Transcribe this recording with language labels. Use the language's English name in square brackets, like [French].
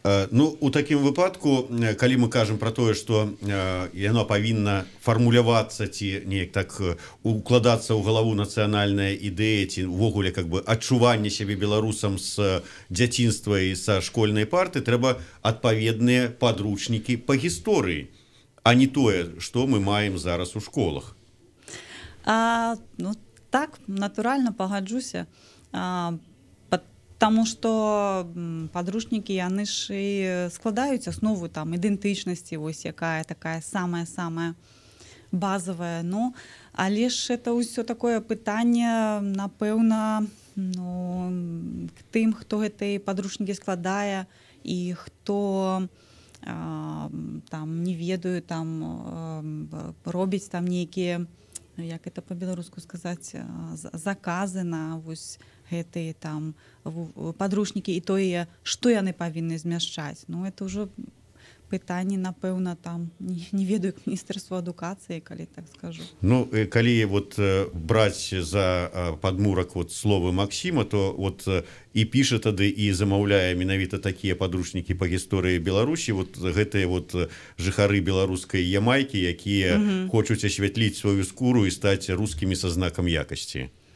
[Belarusian] Ну, у такім выпадку, калі мы кажам пра тое, што яно павінна фармулявацца ці неяк так укладацца ў галаву нацыянальная ідэя ці ўвогуле как бы адчуванне сябе беларусам з дзяцінства і са школьнай парты, трэба адпаведныя падручнікі па гісторыі, а не тое, што мы маем зараз у школах. Ну, так, натуральна пагаджуся. [Russian] Потому что подручники, они ж и складывают основу там идентичности, ось якая такая самая-самая базовая. Ну, а лишь это все такое питание, напевно, ну, к тем, кто эти подручники складывает, и кто там, не ведаю, там, робить там некие, як это по-белорусски сказать, заказы [Belarusian] на ось гэтые там падручнікі і тое, што яны павінны змяшчаць. Ну, это ўжо пытанне, напэўна, там, не ведаю, к міністэрству адукацыі, калі так скажу. Ну, калі вот браць за падмурак вот словы Максіма, то вот і піша тады, і замаўляе менавіта такія падручнікі па гісторыі Беларусі, вот гэтыя вот жыхары беларускай Ямайкі, якія хочуць асвятліць сваю скуру і стаць рускімі са знакам якасці.